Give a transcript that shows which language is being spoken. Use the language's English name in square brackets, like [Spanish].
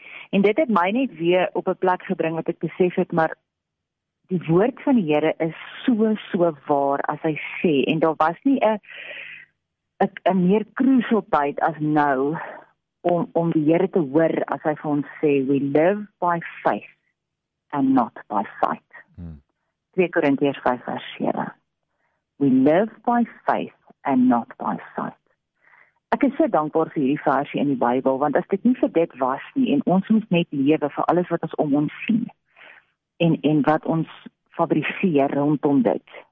[Afrikaans] En dit het my net weer op 'n plek gebring wat ek besef het, maar die woord van die Here is so waar as hy sê, en daar was nie 'n meer crucial tyd as nou om die Here te hoor as hy vir ons sê, [English] we live by faith and not by sight. [Afrikaans] 2 Korintiërs 5 vers 7. [English] We live by faith and not by sight. [Afrikaans] Ek is so dankbaar vir hierdie versie in die Bybel, want as dit nie vir dit was nie, en ons moet net lewe vir alles wat ons om ons sien, en wat ons fabriceer rondom dit.